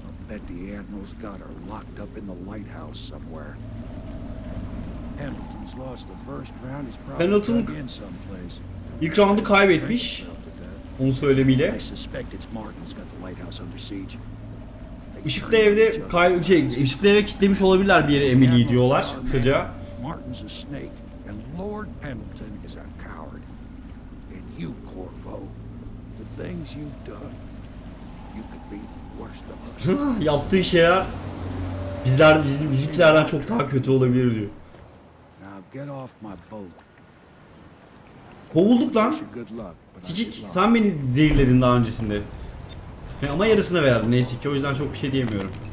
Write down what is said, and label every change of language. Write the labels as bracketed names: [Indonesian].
[English] Bet the Admiral's got her locked up in the lighthouse somewhere. Pendleton's lost the first round. He's probably in some place. [Turkish] İlk roundu kaybetmiş. Onun söylemiyle. [English] I suspect it's Martin's got the lighthouse under siege. Işıklı evde ışıklı eve kilitlemiş olabilirler bir yere Emily diyorlar kısaca. Martin's a snake and Lord Pendleton is a coward. And you, Corvo, the things you've done, you could be. [Turkish] Yaptığı şey ya, bizler bizimkilerden çok daha kötü olabilir diyor. [English] Now get off my boat. [Turkish] Kovulduk lan. Sikik, sen beni zehirledin daha öncesinde. Ama yarısını verdin. Neyse ki o yüzden çok bir şey diyemiyorum.